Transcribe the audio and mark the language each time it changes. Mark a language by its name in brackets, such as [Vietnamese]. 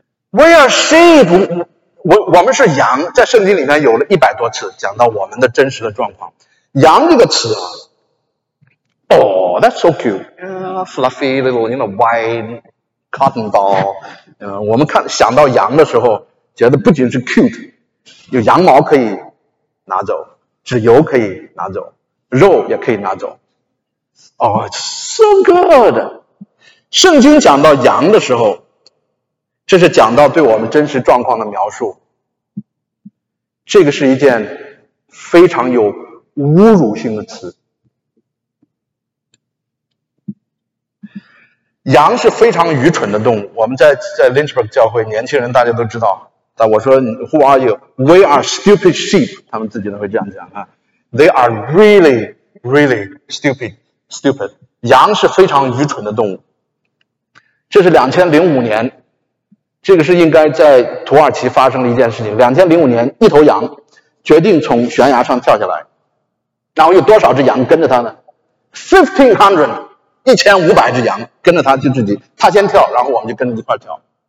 [English] We are sheep， [Chinese] 我们是羊。在圣经里面有了100多次讲到我们的真实的状况。羊这个词啊， [English] Oh, that's so cute. Fluffy little, you know, white cotton ball. [Chinese] 我们看想到羊的时候，觉得不仅是 cute， 有羊毛可以拿走，脂油可以拿走，肉也可以拿走。 [English] Oh, it's so good. [Chinese] 圣经讲到羊的时候，这是讲到对我们真实状况的描述。这个是一件非常有侮辱性的词。羊是非常愚蠢的动物。我们在 Lynchburg 教会，年轻人大家都知道。但我说 [English] Who are you? We are stupid sheep. [Chinese] 他们自己都会这样讲啊。 [English] They are really, really stupid, stupid. [Chinese] 羊是非常愚蠢的动物。这是2005年，这个是应该在土耳其发生的一件事情。 2005年，一头羊决定从悬崖上跳下来，然后有多少只羊跟着他呢 ？1500。 1500只羊跟着他，就自己他先跳，然后我们就跟着一块跳。